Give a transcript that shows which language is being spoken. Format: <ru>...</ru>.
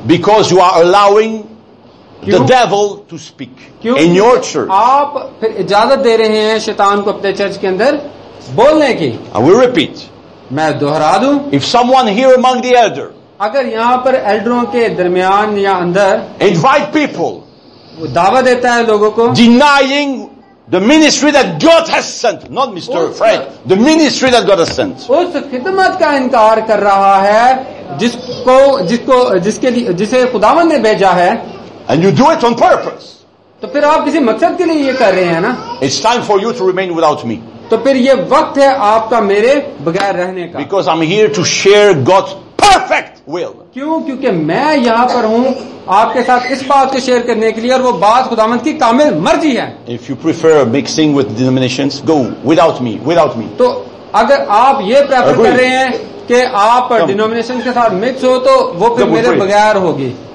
<en>because you are allowing the devil to speak in your church</en> <hi>आप फिर इजाजत दे रहे हैं शैतान को अपने चर्च के अंदर बोलने की</hi> <en>I will repeat</en> <hi>मैं दोहरा दूं</hi> <en>if someone here among the elder</en> <hi>अगर यहां पर एल्डरों के दरमियान या अंदर</hi> <en>invite people</en> <hi>दावा देता है लोगों को</hi> <en>denying The ministry that God has sent, not Mr. Frank. The ministry that God has sent.</en> <hi>उस खिदमत का इनकार कर रहा है जिसको जिसको जिसके लिए जिसे खुदावन ने भेजा है</hi> <en>And you do it on purpose.</en> <hi>तो फिर आप किसी मकसद के लिए ये कर रहे हैं ना</hi> <en>It's time for you to remain without me.</en> <hi>तो फिर ये वक्त है आपका मेरे बगैर रहने का</hi> <en>Because I'm here to share God's perfect will.</en> <hi>क्यों क्योंकि मैं यहां पर हूं आपके साथ इस बात को शेयर करने के लिए और वो बात खुदावंत की कामिल मर्जी है</hi> <en>if you prefer mixing with denominations go without me without me</en> <hi>तो अगर आप ये प्रेफर कर रहे हैं कि आप डिनोमिनेशन के साथ मिक्स हो तो वो फिर मेरे बगैर होगी</hi>